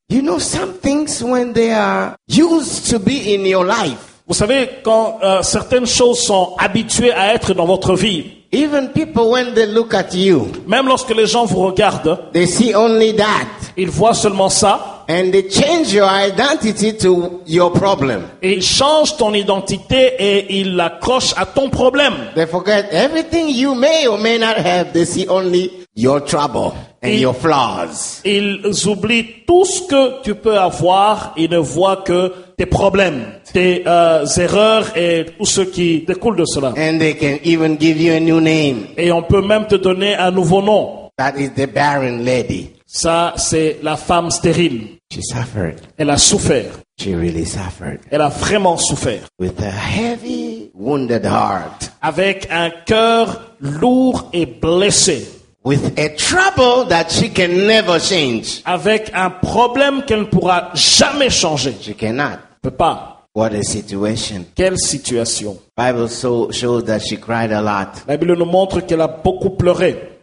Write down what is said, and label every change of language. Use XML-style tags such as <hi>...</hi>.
<en>You know some things when they are used to be in your life.</en> <fr>Vous savez quand certaines choses sont habituées à être dans votre vie.</fr> <en>Even people when they look at you.</en> <fr>Même lorsque les gens vous regardent.</fr> <en>They see only that.</en> <fr>Ils voient seulement ça.</fr> <en>And they change your identity to your problem.</en> <fr>Ils changent ton identité et ils l'accrochent à ton problème.</fr> <en>They forget everything you may or may not have. They see only your trouble. And your flaws.</en> <fr>Ils oublient tout ce que tu peux avoir. Ils ne voient que tes problèmes, tes erreurs et tout ce qui découle de cela.</fr> <en>And they can even give you a new name.</en> <fr>Et on peut même te donner un nouveau nom.</fr> <en>That is the barren lady.</en> <fr>Ça, c'est la femme stérile.</fr> <en>She suffered.</en> <fr>Elle a souffert.</fr> <en>She really suffered.</en> <fr>Elle a vraiment souffert.</fr> <en>With a heavy, wounded heart.</en> <fr>Avec un cœur lourd et blessé.</fr> <en>With a trouble that she can never change.</en> <fr>Avec un problème qu'elle ne pourra jamais changer.</fr> <en>She cannot.</en> <fr>Peut pas.</fr> <en>What a situation.</en> <fr>Quelle situation.</fr> <en>Bible so shows that she cried a lot.</en> <fr>La Bible nous montre qu'elle a beaucoup pleuré.</fr>